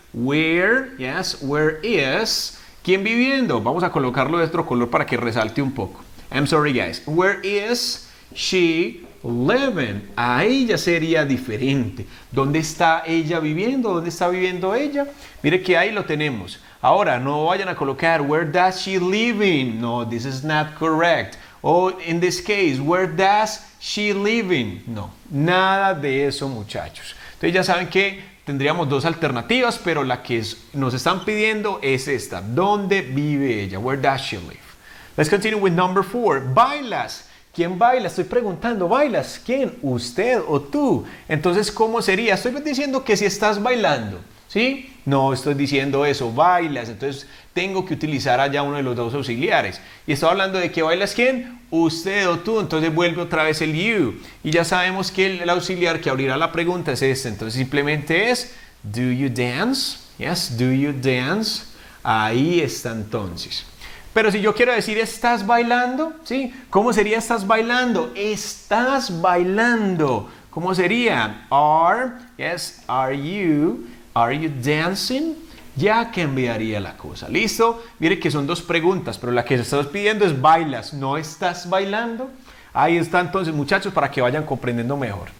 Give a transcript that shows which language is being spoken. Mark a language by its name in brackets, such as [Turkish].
[English] Where, yes, where is. [Spanish] ¿Quién viviendo? Vamos a colocarlo de otro color para que resalte un poco. [English] I'm sorry, guys. Where is she living? [Spanish] Ahí ya sería diferente. ¿Dónde está ella viviendo? ¿Dónde está viviendo ella? Mire que ahí lo tenemos. Ahora, no vayan a colocar [English] where does she living. No, this is not correct. Oh, in this case, where does she living? [Spanish] No, nada de eso, muchachos. Entonces ya saben que tendríamos dos alternativas, pero la que nos están pidiendo es esta. ¿Dónde vive ella? [English] Where does she live? Let's continue with number four. [Spanish] ¿Bailas? ¿Quién baila? Estoy preguntando, ¿bailas? ¿Quién? ¿Usted o tú? Entonces, ¿cómo sería? Estoy diciendo que si estás bailando, ¿sí? No estoy diciendo eso, bailas. Entonces, tengo que utilizar allá uno de los dos auxiliares. Y estoy hablando de que bailas ¿quién? Usted o tú. Entonces, vuelve otra vez el you. Y ya sabemos que el auxiliar que abrirá la pregunta es este. Entonces, simplemente es, [English] do you dance? Yes, do you dance? [Spanish] Ahí está entonces. Pero si yo quiero decir, ¿estás bailando? ¿Sí? ¿Cómo sería estás bailando? Estás bailando. ¿Cómo sería? [English] Are, yes, are you, are you dancing? [Spanish] Ya cambiaría la cosa. ¿Listo? Mire que son dos preguntas, pero la que se estás pidiendo es bailas, no estás bailando. Ahí está entonces, muchachos, para que vayan comprendiendo mejor.